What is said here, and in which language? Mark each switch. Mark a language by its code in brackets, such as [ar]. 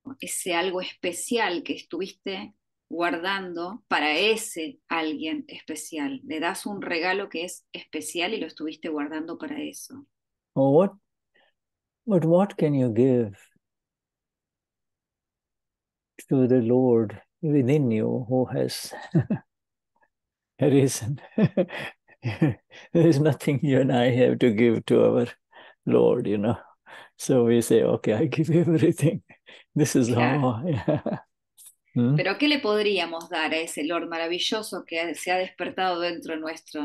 [es] Ese algo especial que estuviste guardando para ese alguien especial. Le das un regalo que es especial y lo estuviste guardando para eso. [en] Well, what can you give to the Lord within you who has arisen? There is nothing you and I have to give to our Lord, you know. So we say, okay, I give everything. This is [es] claro. [en] All. [es] Pero ¿qué le podríamos dar a ese Lord maravilloso que se ha despertado dentro nuestro?